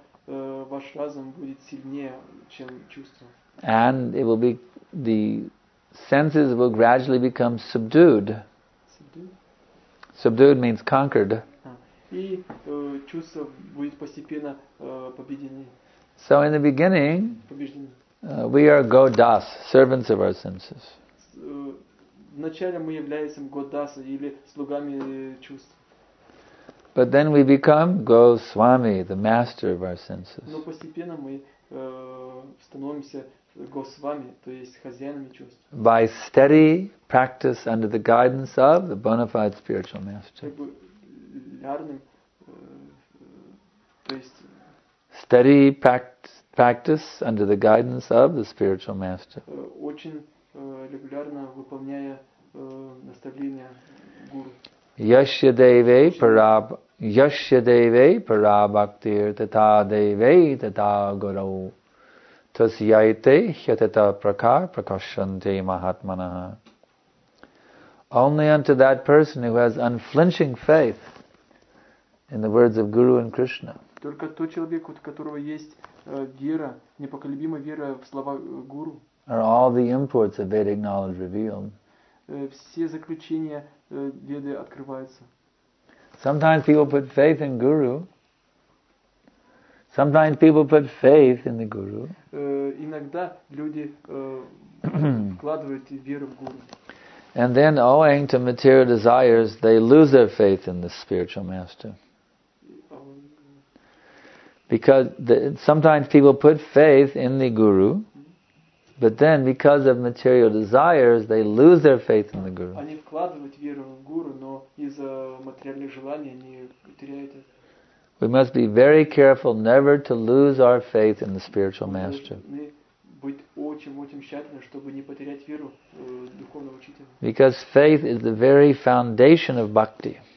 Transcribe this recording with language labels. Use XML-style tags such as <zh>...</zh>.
<ru>Ваш разум будет сильнее, чем чувства.</ru> <en>And it will be the senses will gradually become subdued. Subdued means conquered.</en> <ru>И чувства будут постепенно победены.</ru> <en>So in the beginning, we are godas, servants of our senses.</en> <ru>Вначале мы являемся godas или слугами чувств.</ru> <en>But then we become Goswami, the master of our senses.</en> <ru>Но постепенно мы становимся Госвами, то есть хозяинами чувств.</ru> <en>By steady practice under the guidance of the bona fide spiritual master.</en> <ru>Регулярным, то есть.</ru> <en>Steady practice under the guidance of the spiritual master.</en> <ru>Очень регулярно выполняя наставления гуру.</ru> <sa>Yashya deve parab. Yashya deve para bhaktir tata deve tata gurau tasyaite hyateta prakar prakashante mahatmanah.</sa> <en>Only unto that person who has unflinching faith in the words of Guru and Krishna.</en> <ru>Только тот человек, у которого есть вера, непоколебимая вера в слова Гуру.</ru> <en>Are all the imports of Vedic knowledge revealed.</en> <ru>Все заключения Веды открываются.</ru> <en>Sometimes people put faith in Guru. Sometimes people put faith in the Guru.</en> <ru>Иногда люди вкладывают веру в Гуру.</ru> <en>And then, owing to material desires, they lose their faith in the spiritual master. Because sometimes people put faith in the Guru. But then, because of material desires, they lose their faith in the Guru.</en> <ru>Они вкладывают веру в Гуру, но из-за материальных желаний они теряют это.</ru> <en>We must be very careful never to lose our faith in the spiritual master.</en> <ru>Мы быть очень тщательны, чтобы не потерять веру духовного учителя.</ru> <en>Because faith is the very foundation of bhakti.</en>